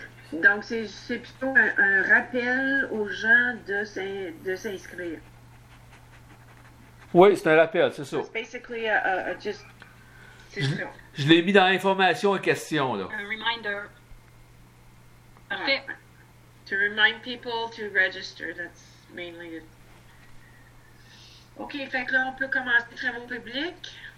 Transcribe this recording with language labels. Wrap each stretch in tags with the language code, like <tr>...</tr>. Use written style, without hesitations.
<fr>Donc, c'est plutôt un rappel aux gens de s'inscrire. Oui, c'est un rappel, c'est ça. C'est</fr> <en>basically a just...</en> <fr>Je l'ai mis dans l'information en question, là. Un reminder.</fr> <en>To remind people to register, that's mainly it.</en> <fr>OK, fait que là, on peut commencer les travaux publics.</fr>